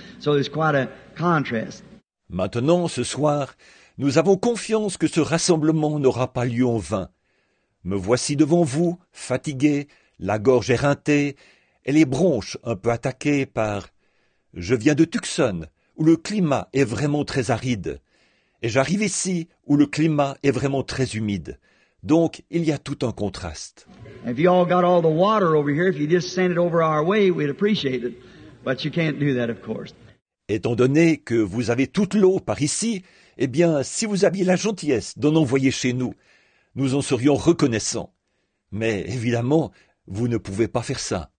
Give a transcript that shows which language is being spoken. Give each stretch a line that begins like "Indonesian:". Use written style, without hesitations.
English: So there's quite a contrast.
French: Maintenant, ce soir, nous avons confiance que ce rassemblement n'aura pas lieu en vain. Me voici devant vous, fatigué, la gorge éreintée et les bronches un peu attaquées par... Je viens de Tucson, où le climat est vraiment très aride. Et j'arrive ici, où le climat est vraiment très humide. Donc, il y a tout un contraste.
English: If you all got all the water over here, if you just send it over our way, we'd appreciate it. But you can't do that, of course.
French: Étant donné que vous avez toute l'eau par ici, eh bien, si vous aviez la gentillesse d'en envoyer chez nous, nous en serions reconnaissants. Mais évidemment, vous ne pouvez pas faire ça.